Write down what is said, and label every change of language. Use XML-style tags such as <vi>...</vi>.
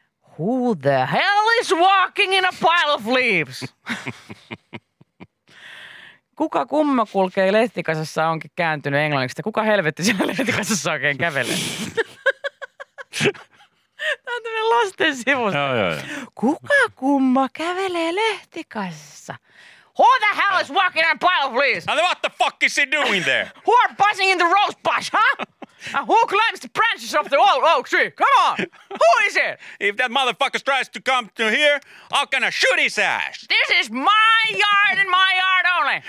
<en>Who the hell is walking in a pile of leaves?</en> <fi>Kuka kumma kulkee lehtikasassa onkin kääntynyt englanniksi? Kuka helvetti siellä lehtikasassa oikein kävelee? Tämä on tämmöinen lasten sivusto. Kuka kumma kävelee lehtikasassa?</fi> <en>Who the hell is walking in a pile of leaves? And what the fuck is he doing there? Who are buzzing in the rose bush, huh? And who climbs the branches of the old oak tree? Come on! Who is it? If that motherfucker tries to come to here, I'm gonna shoot his ass. This is my yard and my yard only.</en>